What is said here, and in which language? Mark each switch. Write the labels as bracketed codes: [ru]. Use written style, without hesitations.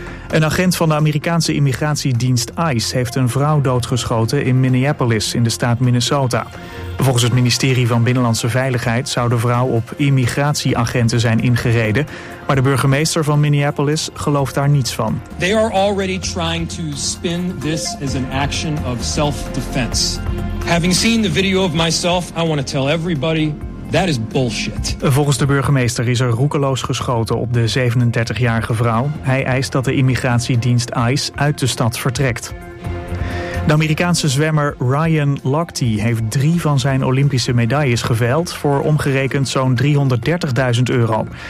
[nl] Een agent van de Amerikaanse immigratiedienst ICE heeft een vrouw doodgeschoten in Minneapolis in de staat Minnesota. Volgens het ministerie van Binnenlandse Veiligheid zou de vrouw op immigratieagenten zijn ingereden, maar de burgemeester van Minneapolis gelooft daar niets van. [en] They are already trying to spin this as an action of self-defense. Having seen the video of myself, I want to tell everybody. That is bullshit. [nl] Volgens de burgemeester is er roekeloos geschoten op de 37-jarige vrouw. Hij eist dat de immigratiedienst ICE uit de stad vertrekt. De Amerikaanse zwemmer Ryan Lochte heeft 3 van zijn Olympische medailles geveild voor omgerekend zo'n 330.000 euro.